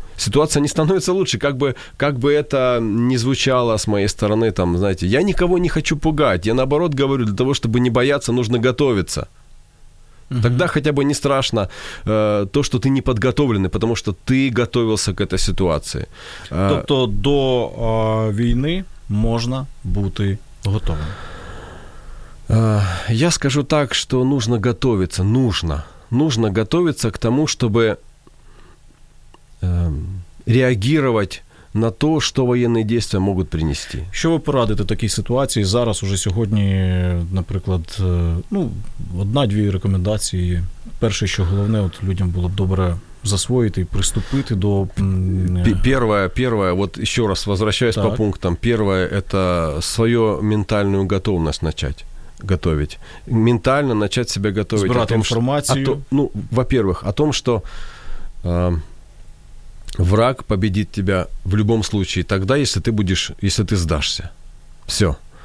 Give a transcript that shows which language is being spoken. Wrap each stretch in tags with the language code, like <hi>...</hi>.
<ru>Ситуация не становится лучше, как бы это ни звучало с моей стороны, там, знаете, я никого не хочу пугать, я наоборот говорю, для того, чтобы не бояться, нужно готовиться. Тогда хотя бы не страшно то, что ты не подготовленный, потому что ты готовился к этой ситуации.</ru> <uk>Тобто до війни можна бути готовим.</uk> <ru>Я скажу так, что нужно готовиться, нужно. Нужно готовиться к тому, чтобы реагировать на то, что военные действия могут принести.</ru> <uk>Що ви порадите в такій ситуації зараз, уже сьогодні, наприклад, ну, одна-дві рекомендації. Перше, що головне, от людям було б добре засвоїти і приступити до... Перше, от ще раз,</uk> <ru>возвращаюсь по пунктам.</ru> <uk>Перше, это свою ментальну готовність</uk> <ru>начать. Готовить. Ментально начать себя готовить.</ru> <uk>Збирати інформацію.</uk> <ru>Ну, во-первых, о том, что... Враг победит тебя в любом случае тогда, если ты сдашься. Все.</ru>